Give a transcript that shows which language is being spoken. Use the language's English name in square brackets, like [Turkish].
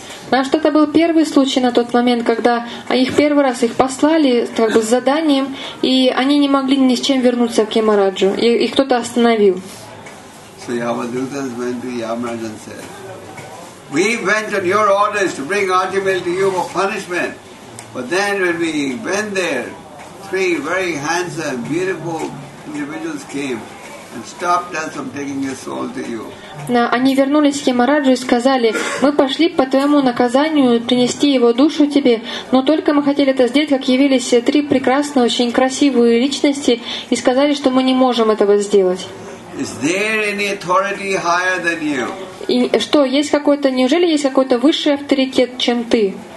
[Russian] На что-то был первый случай на тот момент, когда их первый раз их послали как бы с заданием, и они не могли ни с чем вернуться к Ямараджу, и их кто-то остановил. [English] So Yamadutas went to Yamaraj and said, "We went on your orders to bring Ajamil to you for punishment, but then when we went there, three very handsome, beautiful individuals came and stopped us from taking your soul to you." [Russian] Они вернулись к Ямараджу и сказали: «Мы пошли по твоему наказанию принести его душу тебе, но только мы хотели это сделать, как явились три прекрасные, очень красивые личности и сказали, что мы не можем этого сделать». И что, есть какой-то, неужели есть какой-то высший авторитет, чем ты?